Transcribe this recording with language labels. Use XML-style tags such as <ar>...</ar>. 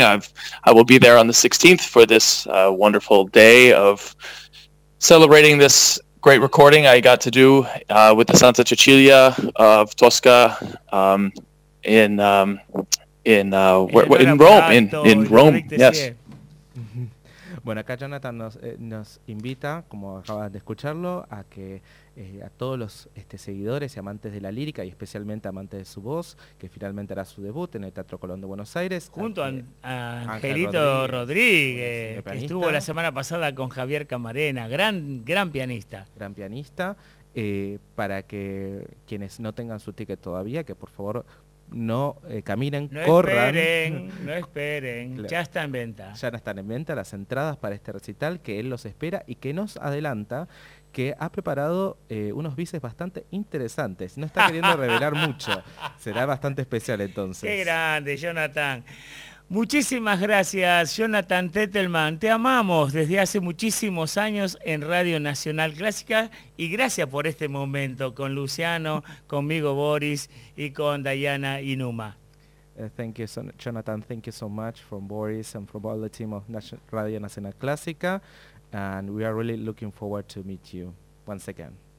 <en>I will be there on the 16th for this wonderful day of celebrating this great recording I got to do with the Santa Cecilia of Tosca in Rome, yes.</en> <es>Bueno, acá Jonathan nos invita, como acaban de escucharlo, a que a todos los seguidores y amantes de la lírica, y especialmente amantes de su voz, que finalmente hará su debut en el Teatro Colón de Buenos Aires. Junto a Angelito Rodríguez, que estuvo la semana pasada con Javier Camarena, gran pianista. Gran pianista. Para que quienes no tengan su ticket todavía, que por favor no caminen, no corran. No esperen, claro. Ya está en venta. Ya están en venta las entradas para este recital, que él los espera y que nos adelanta que ha preparado unos bises bastante interesantes. No está queriendo revelar mucho. Será bastante especial entonces. ¡Qué grande, Jonathan! Muchísimas gracias, Jonathan Tettelman. Te amamos desde hace muchísimos años en Radio Nacional Clásica y gracias por este momento con Luciano, conmigo Boris y con Diana Inuma.</es> <en>Thank you, Jonathan. Thank you so much from Boris and from all the team of Radio Nacional Clásica. And we are really looking forward to meet you once again.</en>